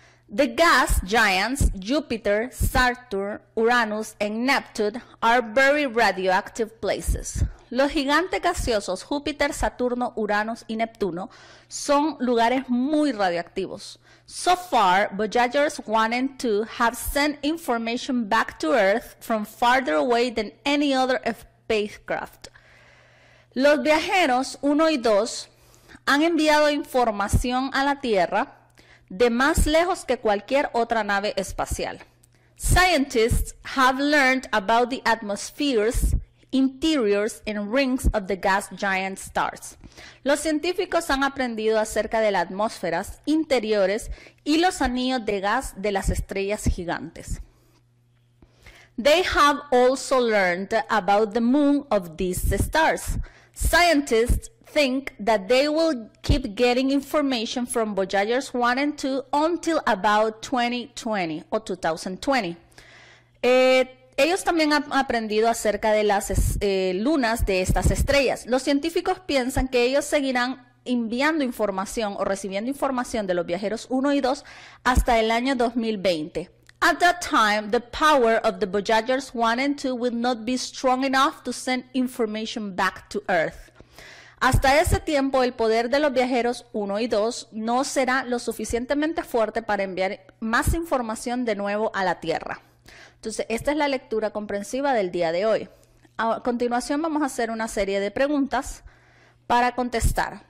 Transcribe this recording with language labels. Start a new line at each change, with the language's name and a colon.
English: The gas giants Jupiter, Saturn, Uranus and Neptune are very radioactive places.
Spanish: Los gigantes gaseosos Júpiter, Saturno, Uranus y Neptuno son lugares muy radioactivos.
English: So far, Voyagers 1 and 2 have sent information back to Earth from farther away than any other spacecraft.
Spanish: Los viajeros 1 y 2 han enviado información a la Tierra de más lejos que cualquier otra nave espacial.
English: Scientists have learned about the atmospheres, interiors and rings of the gas giant stars.
Spanish: Los científicos han aprendido acerca de las atmósferas, interiores y los anillos de gas de las estrellas gigantes.
English: They have also learned about the moon of these stars. Scientists think that they will keep getting information from Voyagers 1 and 2 until about 2020 o 2020.
Spanish: Ellos también han aprendido acerca de las lunas de estas estrellas. Los científicos piensan que ellos seguirán enviando información o recibiendo información de los viajeros 1 y 2 hasta el año 2020.
English: At that time, the power of the Voyagers 1 and 2 will not be strong enough to send information back to Earth.
Spanish: Hasta ese tiempo, el poder de los viajeros 1 y 2 no será lo suficientemente fuerte para enviar más información de nuevo a la Tierra. Entonces, esta es la lectura comprensiva del día de hoy. A continuación, vamos a hacer una serie de preguntas para contestar.